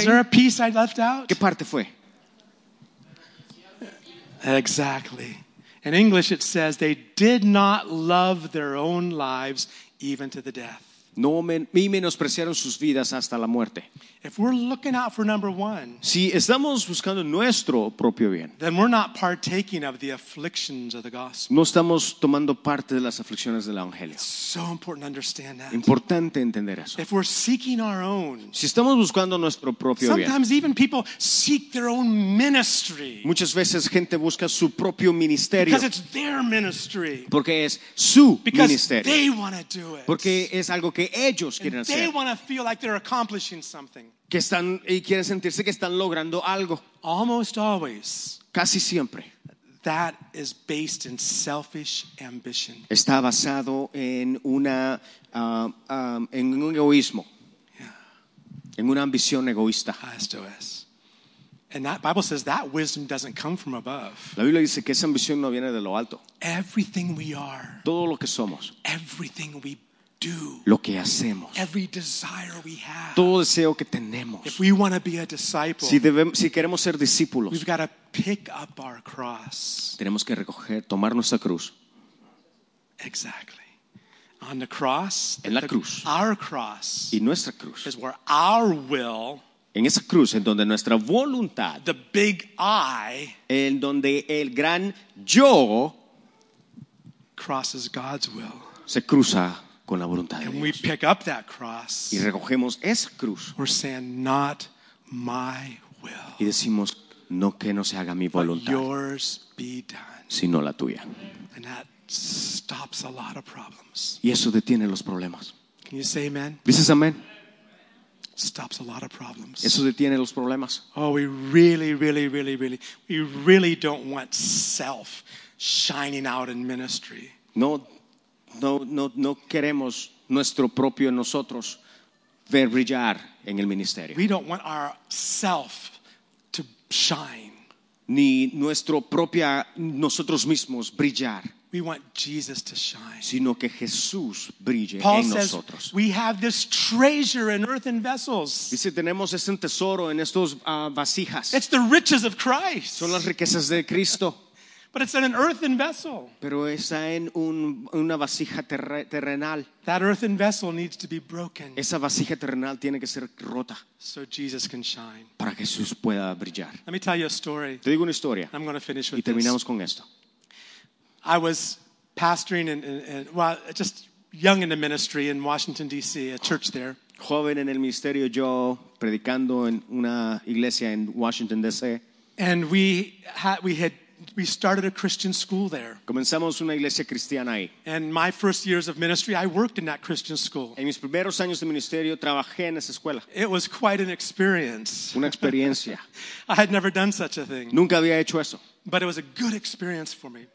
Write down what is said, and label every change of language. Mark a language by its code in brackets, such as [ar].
[en] Is there a piece I left out? [es] ¿Qué parte fue? [en] Exactly. In English it says they did not love their own lives even to the death. [es] No me menospreciaron sus vidas hasta la muerte. [en] If we're looking out for number one, [es] si estamos buscando nuestro propio bien, [en] then we're not partaking of the afflictions of the gospel. [es] No estamos tomando parte de las aflicciones del evangelio. [en] So important to understand that. [es] Importante entender eso. [en] If we're seeking our own, [es] si estamos buscando nuestro propio [en] sometimes [es] bien, [en] sometimes even people seek their own ministry. [es] Muchas veces gente busca su propio ministerio. [en] Because it's their ministry. [es] Porque es su [en] because [es] ministerio. [en] They want to do it. [es] Porque es algo que ellos quieren hacer. [en] They want to feel like they're accomplishing something. [es] Que están y quieren sentirse que están logrando algo. [en] Almost always, [es] casi siempre, [en] that is based in selfish ambition. [es] Está basado en una en un egoísmo, [en] yeah. [es] En una ambición egoísta. Esto es. [en] And that Bible says that wisdom doesn't come from above. [es] La Biblia dice que esa ambición no viene de lo alto. [en] Everything we are. [es] Todo lo que somos. [en] Everything we do, [es] lo que hacemos, [en] every desire we have, [es] todo deseo que tenemos, [en] if we want to be a disciple, [es] si queremos ser discípulos, [en] we've got to pick up our cross, [es] tenemos que recoger, tomar nuestra cruz. [en] Exactly. On the cross, [es] en la cruz, [en] our cross, [es] y nuestra cruz, [en] is where our will, [es] en esa cruz, en donde nuestra voluntad, [en] the big I, [es] en donde el gran yo, [en] crosses God's will, [es] se cruza. Con la voluntad de Dios. [en] And we pick up that cross. [es] Y recogemos esa cruz. [en] We're saying, not my will. [es] Y decimos, no que no se haga mi voluntad. [en] Yours be done. [es] Sino la tuya. [en] And that stops a lot of problems. [es] Y eso detiene los problemas. [en] Can you say amen? [es] ¿Dices amén? [en] Stops a lot of problems. [es] Eso detiene los problemas. [en] Oh, we really, really, really, really, we really don't want self shining out in ministry. [es] No. No queremos nuestro propio nosotros ver brillar en el ministerio. [en] We don't want our self to shine. [es] Ni nuestro propia nosotros mismos brillar. [en] We want Jesus to shine. [es] Sino que Jesús brille [en] Paul says, [es] nosotros. [en] We have this treasure in earthen vessels. [es] Dice tenemos este tesoro en estos vasijas. [en] It's the riches of Christ. [es] Son las riquezas de Cristo. [en] But it's in an earthen vessel. [es] Pero está en una vasija terrenal. [en] That earthen vessel needs to be broken. [es] Esa vasija terrenal tiene que ser rota. [en] So Jesus can shine. [es] Para que Jesús pueda brillar. [en] Let me tell you a story. [es] Te digo una historia. [en] I'm going to finish with [es] y terminamos [en] this. [es] Con esto. [en] I was pastoring just young in the ministry in Washington D.C., a church there. [es] Joven en el ministerio yo predicando en una iglesia en Washington D.C. [en] And we started a Christian school there. [es] Comenzamos una iglesia cristiana ahí. [en] And my first years of ministry, I worked in that Christian school. [es] En mis primeros años de ministerio, trabajé en esa escuela. [en] It was quite an experience. [es] Una experiencia. [en] I had never done such a thing. [es] Nunca había hecho eso. [en] But it was a good experience for me.